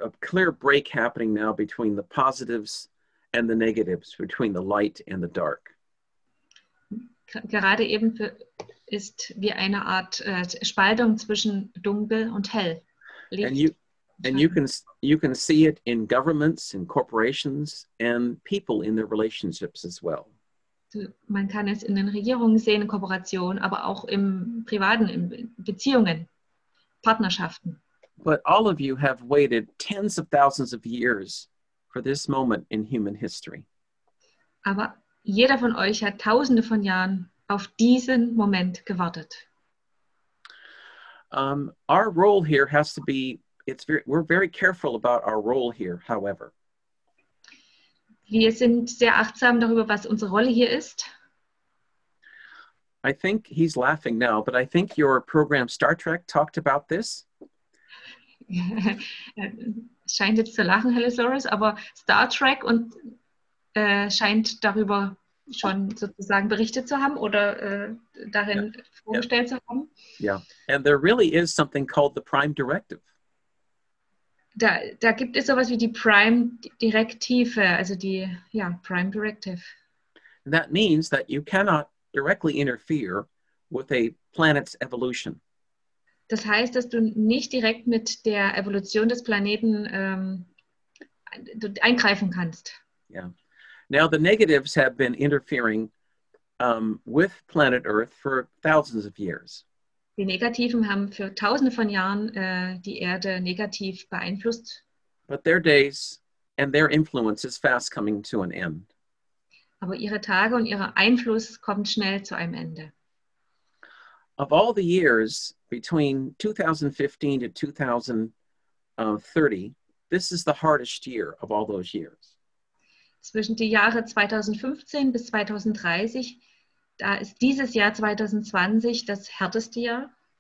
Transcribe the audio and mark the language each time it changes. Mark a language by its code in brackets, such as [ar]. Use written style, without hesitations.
[en] a clear break happening now between the positives and the negatives, between the light and the dark. [de] Gerade eben ist wie eine Art Spaltung zwischen dunkel und hell. Licht. [en] And you can see it in governments, in corporations, and people in their relationships as well. [de] Man kann es in den Regierungen sehen, in Kooperationen, aber auch im Privaten, in Beziehungen, Partnerschaften. [en] But all of you have waited tens of thousands of years for this moment in human history. [de] Aber jeder von euch hat tausende von Jahren auf diesen Moment gewartet. [en] Our role here has to be, we're very careful about our role here, however. [de] Wir sind sehr achtsam darüber, was unsere Rolle hier ist. [en] I think he's laughing now, but I think your program Star Trek talked about this. [de] Scheint jetzt zu lachen, Hellasaurus, aber Star Trek und scheint darüber schon sozusagen berichtet zu haben oder darin vorgestellt zu haben. [en] Yeah, and there really is something called the Prime Directive. [de] Da gibt es sowas wie die Prime Directive, also die, ja, Prime Directive. [en] And that means that you cannot directly interfere with a planet's evolution. [de] Das heißt, dass du nicht direkt mit der Evolution des Planeten eingreifen kannst. [en] Yeah. Now the negatives have been interfering with planet Earth for thousands of years. [de] Die Negativen haben für tausende von Jahren die Erde negativ beeinflusst. [en] But their days and their influence is fast coming to an end. [de] Aber ihre Tage und ihr Einfluss kommt schnell zu einem Ende. [en] Of all the years between 2015 to 2030, this is the hardest year of all those years. [de] Zwischen die Jahre 2015 bis 2030, da ist dieses Jahr 2020 das härteste Jahr.